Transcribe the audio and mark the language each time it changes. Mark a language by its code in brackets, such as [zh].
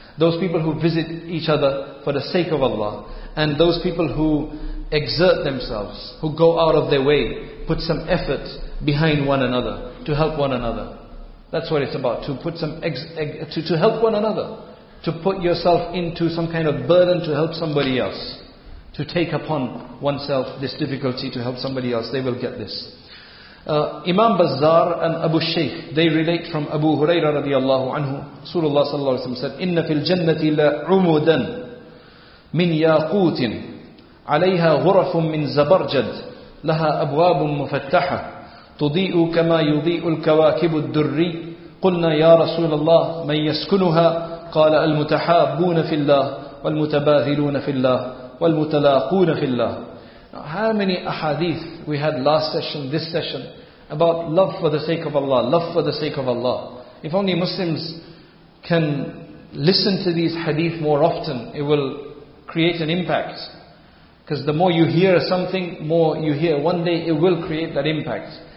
[en] Those people who visit each other for the sake of Allah. And those people who exert themselves, who go out of their way, put some effort behind one another to help one another. That's what it's about, to put some to help one another. To put yourself into some kind of burden to help somebody else. To take upon oneself this difficulty to help somebody else, they will get this. Imam Bazzar and Abu Shaykh, they relate from Abu Hurairah radiallahu anhu, Rasulullah sallallahu alayhi wa sallam said, [ar] إِنَّ فِي الْجَنَّةِ لَعُمُدًا مِنْ يَاقُوتٍ عَلَيْهَا غُرَفٌ مِنْ زَبَرْجَدْ لَهَا أَبْوَابٌ مُفَتَّحَةٌ تُضِيءُ كَمَا يُضِيءُ الْكَوَاكِبُ الدُّرِّ قُلْنَا يَا رَسُولَ اللَّهِ مَنْ يَسْكُنُهَا قَالَ الْمُتَحَابُّونَ فِي اللَّهِ وَالْمُتَبَاذِلُونَ فِي اللَّهِ وَالْمُتَلَاقُونَ فِي اللَّهِ. [en] Now, how many ahadith we had last session, this session, about love for the sake of Allah, love for the sake of Allah. If only Muslims can listen to these hadith more often, it will create an impact. Because the more you hear something, more you hear. One day it will create that impact.